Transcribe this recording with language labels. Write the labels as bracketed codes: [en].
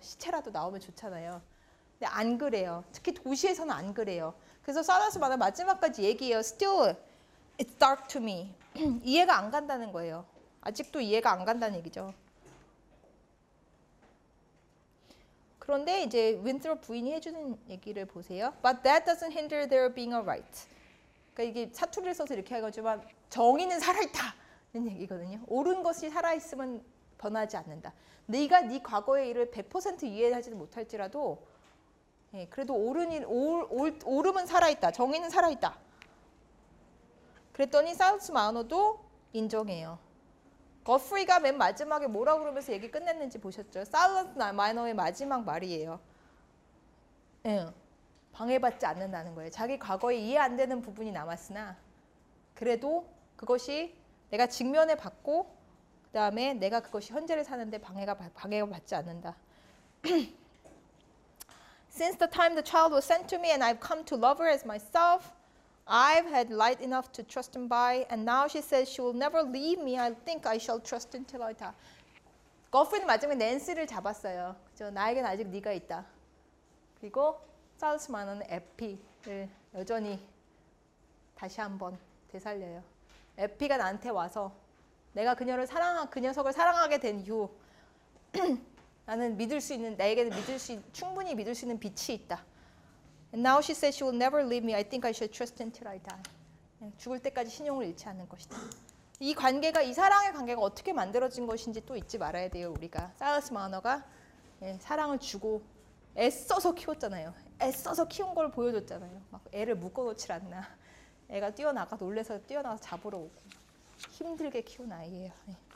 [ko] 시체라도 나오면 좋잖아요. 근데 안 그래요. 특히 도시에서는 안 그래요. 그래서 사라스마는 마지막까지 얘기해요. [en] Still, it's dark to me. [ko] 이해가 안 간다는 거예요. 아직도 이해가 안 간다는 얘기죠. 그런데 이제 윈트롭 부인이 해주는 얘기를 보세요. [en] But that doesn't hinder there being a right. [ko] 그러니까 이게 사투리를 써서 이렇게 하지만 정의는 살아있다는 얘기거든요. 옳은 것이 살아있으면 변하지 않는다. 네가 네 과거의 일을 100% 이해하지는 못할지라도 예, 그래도 옳은 일, 옳음은 살아있다. 정의는 살아있다. 그랬더니 사우스 마우너도 인정해요. 거프리가 맨 마지막에 뭐라고 그러면서 얘기 끝냈는지 보셨죠? 사우스 마우너의 마지막 말이에요. 예. 방해받지 않는다는 거예요. 자기 과거에 이해 안 되는 부분이 남았으나 그래도 그것이 내가 직면해 봤고 그 다음에 내가 그것이 현재를 사는데 방해받지 않는다. [en] Since the time the child was sent to me and I've come to love her as myself, I've had light enough to trust him by and now she says she will never leave me. I think I shall trust until I die. [ko] 거프는 마지막에 낸시를 잡았어요. 그죠? 나에겐 아직 네가 있다. 그리고 사우스 마너는 에피를 여전히 다시 한번 되살려요. 에피가 나한테 와서 내가 그녀를 그 녀석을 사랑하게 된 이후 나는 믿을 수 있는 나에게는 충분히 믿을 수 있는 빛이 있다. [en] And now she said she will never leave me. I think I should trust until I die. [ko] 죽을 때까지 신용을 잃지 않는 것이다. 이 관계가 이 사랑의 관계가 어떻게 만들어진 것인지 또 잊지 말아야 돼요. 우리가 사우스 마너가 사랑을 주고 애써서 키웠잖아요. 애써서 키운 걸 보여줬잖아요. 막 애를 묶어놓지 않나. 애가 뛰어나가 놀래서 뛰어나가서 잡으러 오고 힘들게 키운 아이예요. 네.